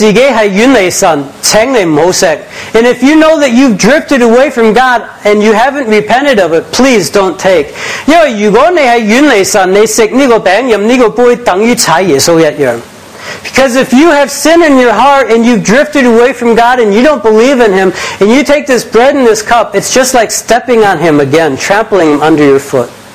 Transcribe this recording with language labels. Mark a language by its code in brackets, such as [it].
[zh] 如果你知道自己是远离神,请你不要吃, [en] and if you know that you've drifted away from God and you haven't repented of it, please don't take. [zh] 因为如果你是远离神,你吃这个饼,喝这个杯,等于踩耶稣一样。 [en] Because if you have sin in your heart and you've drifted away from God and you don't believe in Him and you take this bread and this cup, it's just like stepping on Him again, trampling Him under your foot.